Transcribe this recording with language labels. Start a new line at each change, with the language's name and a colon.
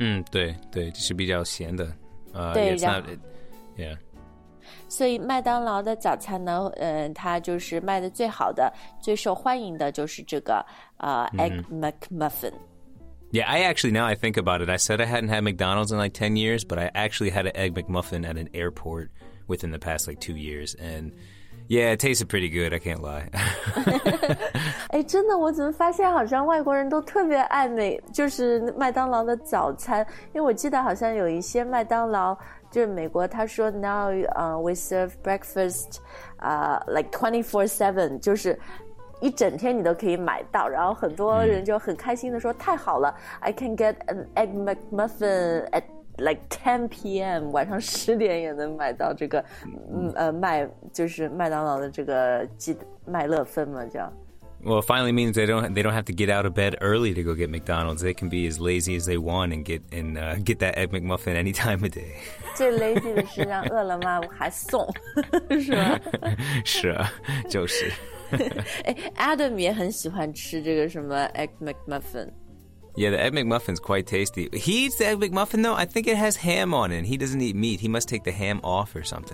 Chinese: 对对就是比较咸的对
English: yeah, it's not, it, yeah
Chinese: 所以麦当劳的早餐呢它就是卖的最好的最受欢迎的就是这个Egg McMuffin
English: Yeah I actually now I think about it I said I hadn't had McDonald's in like 10 years but I actually had an Egg McMuffin at an airport within the past like 2 years andYeah, it tasted pretty good, I can't lie.
Chinese: 哎，真的，我怎么发现好像外国人都特别爱美，就是麦当劳的早餐，因为我记得好像有一些麦当劳，就是美国他说
English: now we serve breakfast like 24/7,
Chinese: 就是一整天你都可以买到，然后很多人就很开心的说太好了 ，
English: I can get an egg McMuffin at like 10 p.m.
Chinese: 晚上十点也能买到这个麦就是麦当劳的这个麦乐芬嘛叫
English: Well, finally means they don't have to get out of bed early to go get McDonald's. They can be as lazy as they want and get that egg McMuffin any time of day.
Chinese: 最 lazy 的是让饿了么还送是吧是啊就是 Adam 也很喜欢吃这个什么 egg McMuffin。
English: Yeah, the Egg McMuffin's quite tasty. He eats the Egg McMuffin, though. I think it has ham on it. He doesn't eat meat. He must take the ham off or something.